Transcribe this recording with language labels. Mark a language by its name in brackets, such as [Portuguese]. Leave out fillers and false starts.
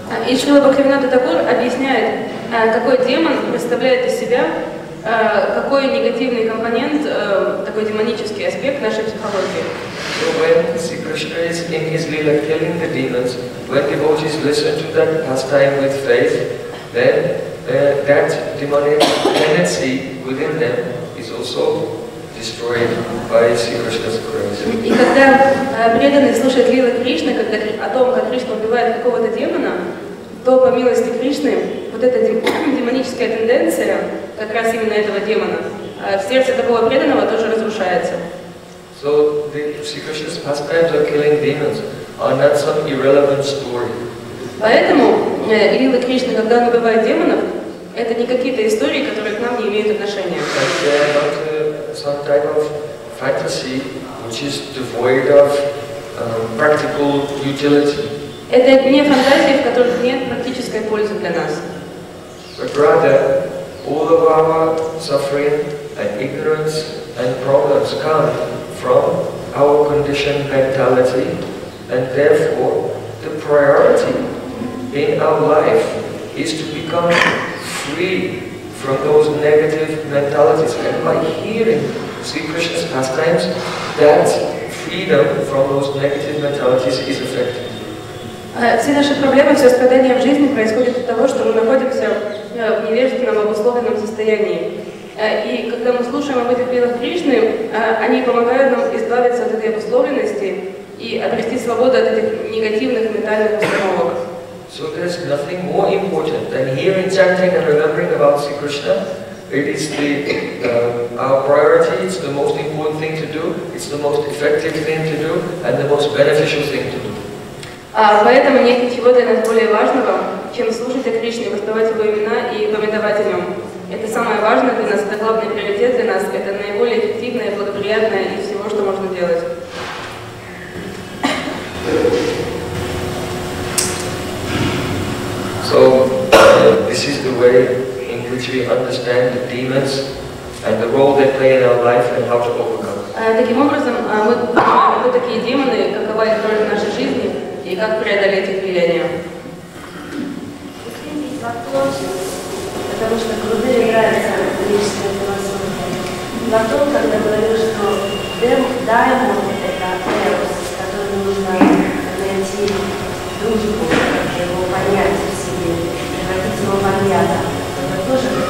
[Russian] И Srila Bhaktivinoda Thakur объясняет, какой демон представляет из себя какой негативный компонент, такой демонический аспект нашей психологии. [English] So when Sri Krishna is in his lila killing the demons, when devotees listen to that pastime with faith, then that demonic tendency within them is also destroyed by Sri Krishna's grace. [Russian] И когда преданный слушает лилу Кришны, когда о том, как Кришна убивает какого-то демона, то по милости Кришны вот эта демоническая тенденция как раз именно этого демона в сердце такого преданного тоже разрушается. [English] So the Sri Krishna's pastimes of killing demons are not some irrelevant story. [Russian] Поэтому лила Кришны, когда он убивает демонов, это не какие-то истории, которые к нам не имеют отношения. [English] But some type of fantasy, which is devoid of practical utility. [Russian] Это не фантазии, в которых нет практической пользы для нас. [English] But rather, all of our suffering and ignorance and problems come from our conditioned mentality, and therefore the priority in our life is to become free from those negative mentalities. And by hearing Sri Krishna's pastimes, that freedom from those negative mentalities is effective. [Russian] Все наши проблемы, все страдания в жизни происходят от того, что мы находимся в невежественном обусловленном состоянии. И когда мы слушаем об этих лилах Кришны, они помогают нам избавиться от этой обусловленности и обрести свободу от этих негативных ментальных установок. [English] So there's nothing more important than hearing, chanting and remembering about Sri Krishna. It is the our priority, it's the most important thing to do, it's the most effective thing to do and the most beneficial thing to do. [Russian] Поэтому нет ничего для нас более важного, чем слушать о Кришне, воспевать Его имена и памятовать о Нем. Это самое важное для нас, это главный приоритет для нас, это наиболее эффективное, благоприятное из всего, что можно делать. [English] So, this is the way in which we understand the demons and the role they play in our life and how to overcome. [Russian] Таким образом, мы понимаем, кто такие демоны, какова их роль в нашей жизни, и как преодолеть их влияние. Если есть вопрос, потому что Гурудев играется в личной философии, потом, когда говорил, что даймон — это эрос, с которым нужно найти дружбу, его понять в себе, превратить его в объято, это тоже